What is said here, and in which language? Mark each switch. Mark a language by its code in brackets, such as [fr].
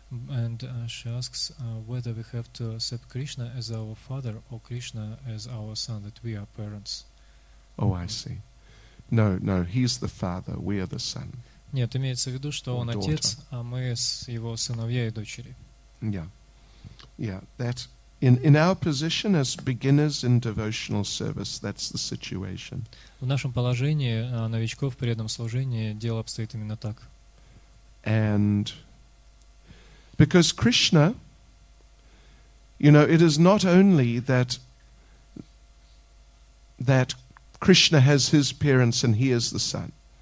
[en] And she asks whether we have to accept Krishna as our father or Krishna as our son, that we are parents. Oh, I see. No, he's the father, we are the son. [ru] Нет, имеется в виду, что он отец, а мы с его сыновья и дочери. [en] Yeah, that in our position as beginners in devotional service, that's the situation. [ru] В нашем положении новичков в преданном служении дело обстоит именно так. [en] And because Krishna, it is not only that Krishna has his parents and he is the son.